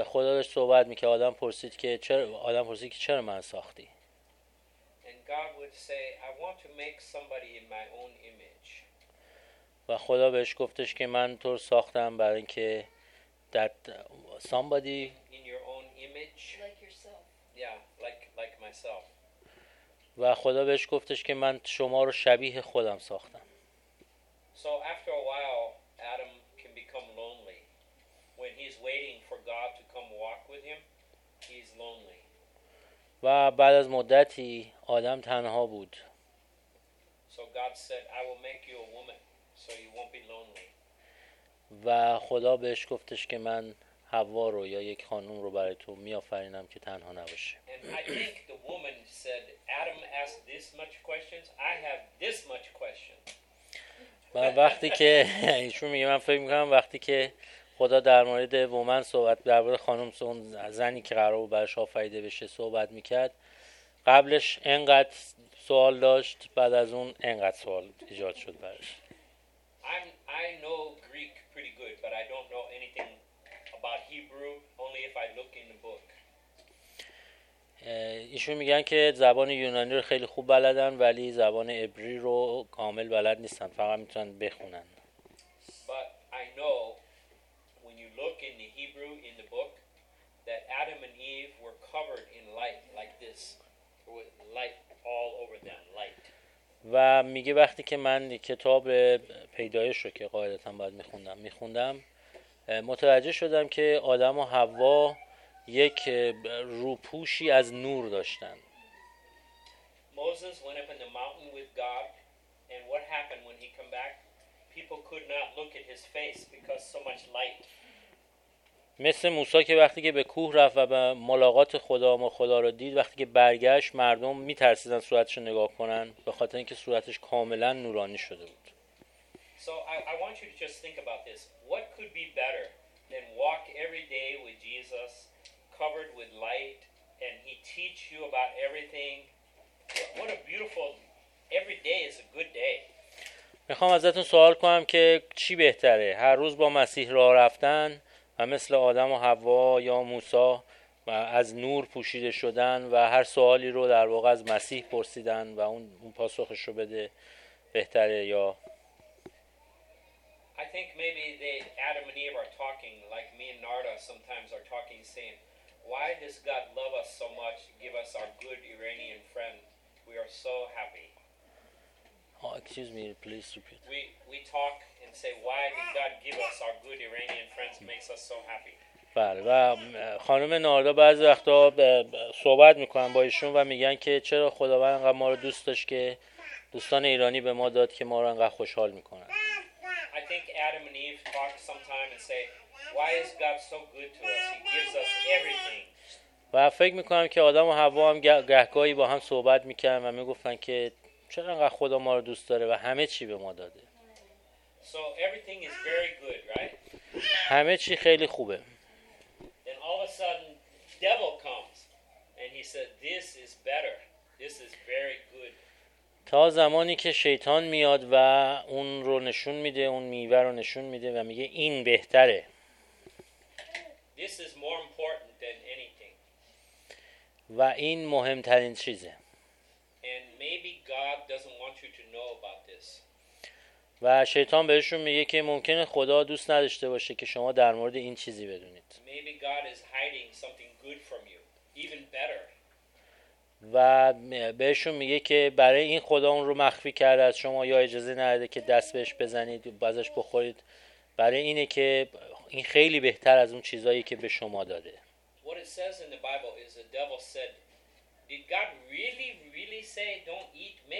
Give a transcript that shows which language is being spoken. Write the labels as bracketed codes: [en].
[fa] و خدا داشت صحبت میکرد، آدم پرسید که چرا، آدم پرسید که چرا من ساختی. [en] And God would say, I want to make somebody in my own image. [fa] و خدا بهش گفتش که من تو رو ساختم برای اینکه [en] that somebody in your own image like yourself. Yeah, like myself. [fa] و خدا بهش گفتش که من شما رو شبیه خودم ساختم. [en] So after a while Adam can become lonely. When he's waiting for God to come walk with him, he's lonely. [fa] و بعد از مدتی آدم تنها بود. [en] So God said, I will make you a woman so you won't be lonely. [fa] و خدا بهش گفتش که من حوا رو یا یک خانم رو برای تو میآفرینم که تنها نباشه. [en] And I think the woman said, Adam asked this much questions, I have this much questions. [fa] و وقتی که ایشون میگه، من فکر میکنم وقتی که خدا در مورد وومن صحبت، در مورد خانم، اون زنی که قرار بود برش آفریده بشه صحبت میکرد، قبلش انقدر سوال داشت، بعد از اون انقدر سوال ایجاد شد برش. [en] I know Greek pretty good, but I don't know anything about Hebrew, only if I look in the book. [fa] ایشون میگن که زبان یونانی رو خیلی خوب بلدن، ولی زبان عبری رو کامل بلد نیستن، فقط میتونن بخونن. [en] But I know look in the Hebrew in the book that Adam and Eve were covered in light like this with light all over them light. [fa] و میگه وقتی که من کتاب پیدایش رو که قاعدتا باید میخوندم متوجه شدم که آدم و حوا یک روپوشی از نور داشتن. [en] Moses went up in the mountain with God and what happened when he came back? People could not look at his face because so much light. [fa] مثل موسی که وقتی که به کوه رفت و به ملاقات خدا و خدا رو دید، وقتی که برگشت مردم میترسیدن صورتش رو نگاه کنن به خاطر اینکه صورتش کاملا نورانی شده بود. [en] So I want you to just think about this. What could be better than walk every day with Jesus covered with light and he teach you about everything? What a beautiful every day is a good day. [fa] میخوام ازتون سوال کنم که چی بهتره، هر روز با مسیح راه رفتن و مثل آدم و حوا یا موسی از نور پوشیده شدن و هر سوالی رو در واقع از مسیح پرسیدن و اون پاسخش رو بده بهتره، یا [en] I think maybe they Adam and Eve are talking like me and Narda sometimes are talking saying why does God love us so much give us our good Iranian friend we are so happy. Oh, excuse me, please repeat. We talk and and say why did God give us our good Iranian friends makes us so happy. [fa] بله و خانم ناردا بعضی وقتا صحبت میکنن با ایشون و میگن که چرا خداوند انقدر ما رو دوست داشت که دوستان ایرانی به ما داد که ما رو انقدر خوشحال میکنن. [en] I think Adam and Eve talk sometime and say why is God so good to us, he gives us everything. [fa] و فکر میکنم که آدم و حوا هم گهگاهی با هم صحبت میکنن و میگفتن که چرا انقدر خدا ما رو دوست داره و همه چی به ما داده. [en] So everything is very good, right? [fa] همه چی خیلی خوبه. [en] Then all of a sudden devil comes and he said this is better. This is very good. [fa] تا زمانی که شیطان میاد و اون رو نشون میده، اون میوه رو نشون میده و میگه این بهتره. [en] This is more important. [fa] و این مهمترین چیزه. [en] And maybe God doesn't want you to know about this. [fa] و شیطان بهشون میگه که ممکنه خدا دوست نداشته باشه که شما در مورد این چیزی بدونید. [en] Maybe God is hiding something good from you, even better. [fa] و بهشون میگه که برای این خدا اون رو مخفی کرده از شما یا اجازه نداده که دست بهش بزنید و ازش بخورید. برای اینه که این خیلی بهتر از اون چیزایی که به شما داده. [en] What it says in the Bible is the devil said, did God really, really say don't eat?